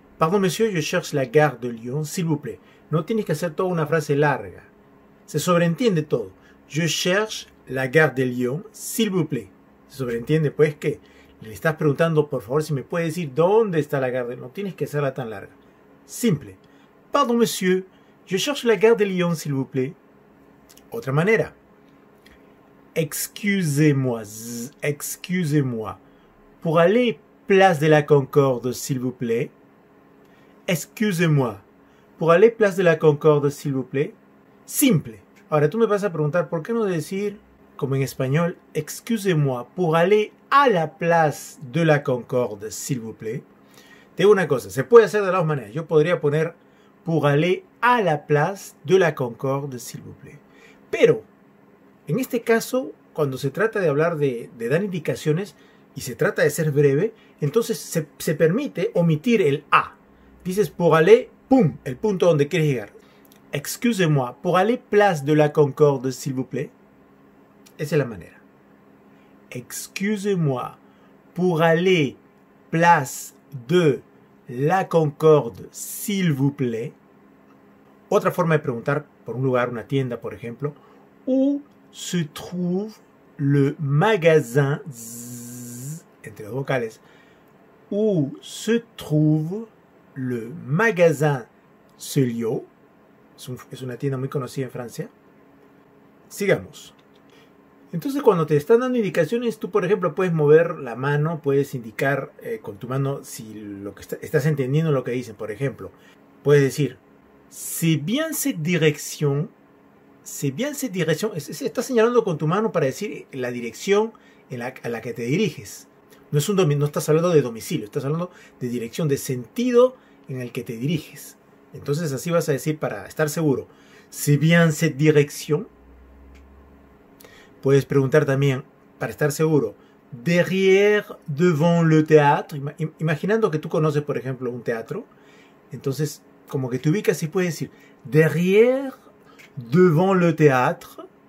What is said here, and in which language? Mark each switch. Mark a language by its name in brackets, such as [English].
[French] Pardon, monsieur, je cherche la gare de Lyon, s'il vous plaît. [Spanish] No tienes que hacer toda una frase larga. Se sobreentiende todo. [French] Je cherche la gare de Lyon, s'il vous plaît. [Spanish] Se sobreentiende, pues, que le estás preguntando, por favor, si me puede decir dónde está la gare de Lyon. No tienes que hacerla tan larga. Simple. [French] Pardon, monsieur, je cherche la gare de Lyon, s'il vous plaît. [Spanish] Otra manera. [French] Excusez-moi, excusez-moi. Pour aller place de la Concorde, s'il vous plaît. Excusez-moi. Pour aller place de la Concorde, s'il vous plaît. [Spanish] Simple. Ahora tú me vas a preguntar, ¿por qué no decir, como en español, [French] excusez-moi, pour aller à la place de la Concorde, s'il vous plaît? [Spanish] Te digo una cosa, se puede hacer de las dos maneras. Yo podría poner, [French] pour aller à la place de la Concorde, s'il vous plaît. [Spanish] Pero, en este caso, cuando se trata de hablar de dar indicaciones y se trata de ser breve, entonces se permite omitir el A. Dices, [French] pour aller, [Spanish] pum, el punto donde quieres llegar. [French] Excusez-moi, pour aller place de la Concorde, s'il vous plaît. [Spanish] Esa es la manera. [French] Excusez-moi, pour aller place de la Concorde, s'il vous plaît. [Spanish] Otra forma de preguntar por un lugar, una tienda, por ejemplo. [French] Où se trouve le magasin z, [Spanish] entre dos vocales. [French] Où se trouve le magasin Celio. [Spanish] Es una tienda muy conocida en Francia. Sigamos. Entonces, cuando te están dando indicaciones, tú, por ejemplo, puedes mover la mano, puedes indicar con tu mano si lo que estás entendiendo lo que dicen. Por ejemplo, puedes decir, [French] c'est bien cette direction. C'est bien cette direction. [Spanish] Estás señalando con tu mano para decir la dirección a la que te diriges. No, no estás hablando de domicilio, estás hablando de dirección, de sentido en el que te diriges. Entonces así vas a decir para estar seguro. [French] C'est bien cette direction. [Spanish] Puedes preguntar también para estar seguro. [French] Derrière, devant le théâtre. [Spanish] Imaginando que tú conoces, por ejemplo, un teatro. Entonces, como que te ubicas y puedes decir. [French] Derrière, devant le théâtre.